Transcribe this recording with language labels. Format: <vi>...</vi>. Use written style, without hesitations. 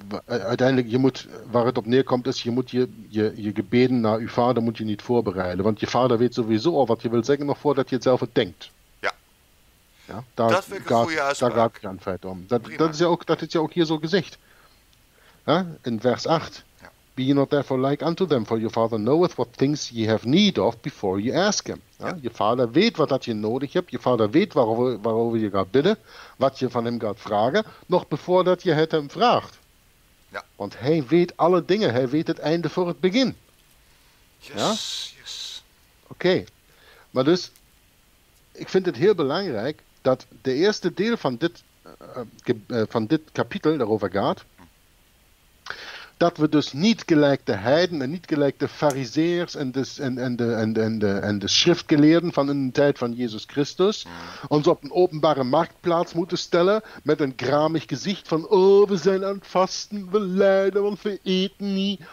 <nl>Uiteindelijk, je moet, waar het op neerkomt is, je moet je gebeden naar je vader moet je niet voorbereiden, want je vader weet sowieso al wat je wil zeggen, nog voordat je het zelf denkt. Ja, daar, dat vind ik een goede uitspraak. Daar gaat het dan feit om. Dat is ja ook hier zo gezegd. Ja, in vers 8. Ja.</nl> <en>Be ye not therefore like unto them, for your father knoweth what things ye have need of before ye ask him.</en> <nl>Ja, ja. Je vader weet wat je nodig hebt. Je vader weet waarover je gaat bidden. Wat je van hem gaat vragen. Nog bevor dat je het hem vraagt. Ja. Want hij weet alle dingen. Hij weet het einde voor het begin.</nl> <en>Yes, ja? Yes.</en> <nl>Oké. Okay. Maar dus, ik vind het heel belangrijk dat de eerste deel van dit kapitel daarover gaat, dat we dus niet gelijk de heiden en niet gelijk de fariseers en de schriftgeleerden van in de tijd van Jezus Christus ons op een openbare marktplaats moeten stellen met een gramig gezicht van oh, we zijn aan het vasten, we lijden, want we eten niet.</nl>